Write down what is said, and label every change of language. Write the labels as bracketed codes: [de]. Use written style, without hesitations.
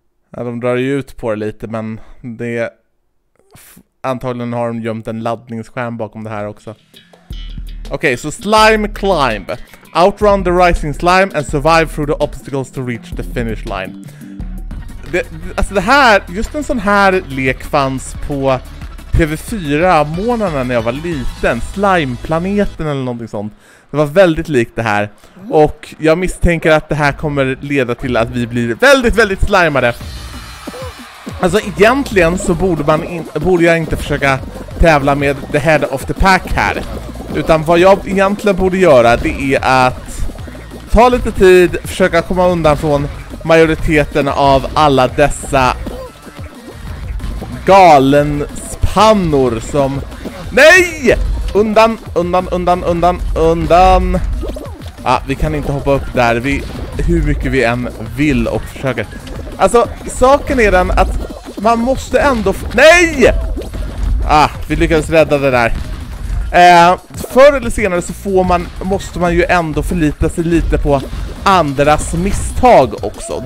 [sv] Ja, de drar ju ut på det lite, men det antagligen har de gömt en laddningsskärm bakom det här också. Okej, okay, så so slime climb. [en] Outrun the rising slime and survive through the obstacles to reach the finish line. [sv] Alltså det här, just en sån här lek fanns på TV4 månaderna när jag var liten. Slimeplaneten eller någonting sånt. Det var väldigt likt det här. Och jag misstänker att det här kommer leda till att vi blir väldigt, väldigt slimade. Alltså egentligen så borde jag inte försöka tävla med [en] the head of the pack [sv] här. Utan vad jag egentligen borde göra, det är att ta lite tid, försöka komma undan från majoriteten av alla dessa galenspannor som... Nej! Undan, undan, undan, undan, undan. Ja, vi kan inte hoppa upp där vi, hur mycket vi än vill och försöker. Alltså, saken är den att man måste ändå... Nej! Ah, vi lyckades rädda det där. Förr eller senare så måste man ju ändå förlita sig lite på andras misstag också.